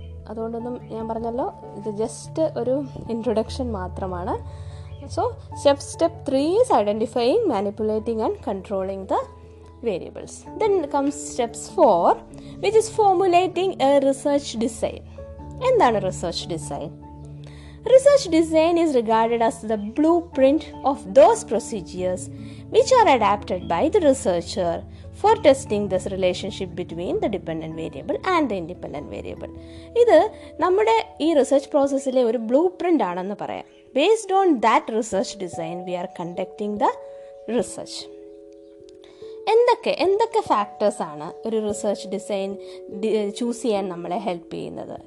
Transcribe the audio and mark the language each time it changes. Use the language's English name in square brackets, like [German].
[Malayalam] അതുകൊണ്ടൊന്നും ഞാൻ പറഞ്ഞല്ലോ, ഇത് ജസ്റ്റ് ഒരു ഇൻട്രൊഡക്ഷൻ മാത്രമാണ്. [English] So step 3 is identifying manipulating and controlling the variables. Then comes steps 4 which is formulating a research design. [Malayalam] എന്താണ് research design? [English] Research design is regarded as the blueprint of those procedures which are adapted by the researcher for testing this relationship between the dependent variable and the independent variable. [Malayalam] ഇത് നമ്മുടെ ഈ research പ്രോസസ്സിലെ ഒരു blue print ആണെന്ന് പറയാം. [English] Based on that research design we are conducting the research. [Malayalam] എന്തൊക്കെ ഫാക്ടേഴ്സാണ് ഒരു research design choose ചെയ്യാൻ നമ്മളെ ഹെൽപ്പ് ചെയ്യുന്നത്?